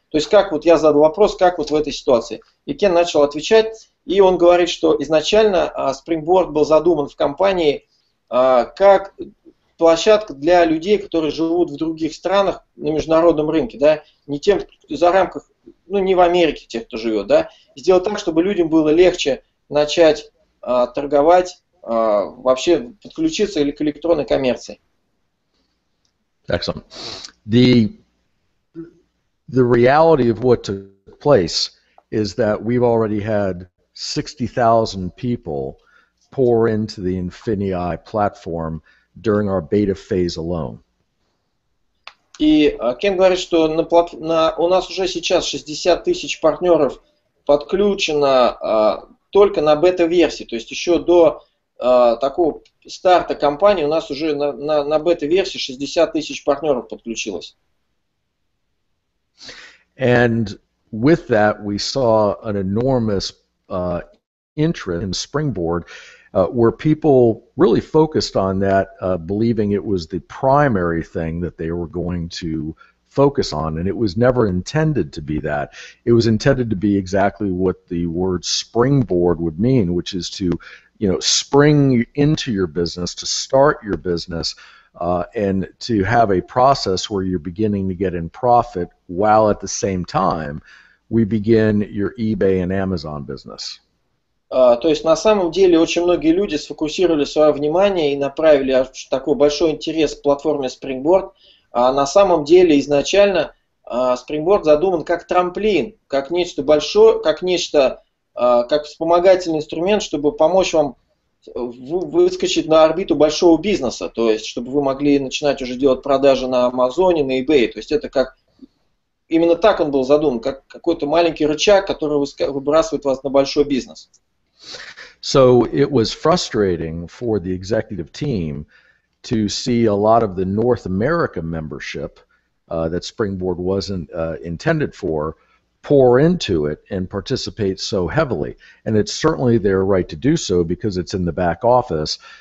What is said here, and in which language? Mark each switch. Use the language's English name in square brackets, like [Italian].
[Russian] То есть как вот я задал вопрос, как вот в этой ситуации. И Кен начал отвечать, и он говорит, что изначально Springboard был задуман в компании как площадка для людей, которые живут в других странах на международном рынке, да, не тем, кто за рамках, ну, не в Америке тех, кто живет, да, сделать так, чтобы людям было легче начать торговать, вообще подключиться или к электронной коммерции. [English] Excellent. The reality of what took place is that we've already had 60,000 people pour into the Infinii platform during our beta phase alone. [Russian] И Кен говорит, что у нас уже сейчас 60 тысяч партнеров подключено только на бета-версии. То есть еще до такого старта компании у нас уже на бета-версии 60 тысяч партнеров подключилось. [English] And with that we saw an enormous interest in Springboard, where people really focused on that, believing it was the primary thing that they were going to focus on, and it was never intended to be that. It was intended to be exactly what the word springboard would mean, which is to, you know, spring into your business, to start your business, and to have a process where you're beginning to get in profit while at the same time we begin your eBay and Amazon business. [Russian] То есть на самом деле очень многие люди сфокусировали свое внимание и направили такой большой интерес к платформе Springboard. А на самом деле изначально Springboard задуман как трамплин, как нечто большое, как нечто, как вспомогательный инструмент, чтобы помочь вам выскочить на орбиту большого бизнеса, то есть чтобы вы могли начинать уже делать продажи на Амазоне, на eBay. То есть это как именно так он был задуман, как какой-то маленький рычаг, который выбрасывает вас на большой бизнес. [English] So it was frustrating for the executive team to see a lot of the North America membership that Springboard wasn't intended for pour into it and participate so heavily. And it's certainly their right to do so because it's in the back office.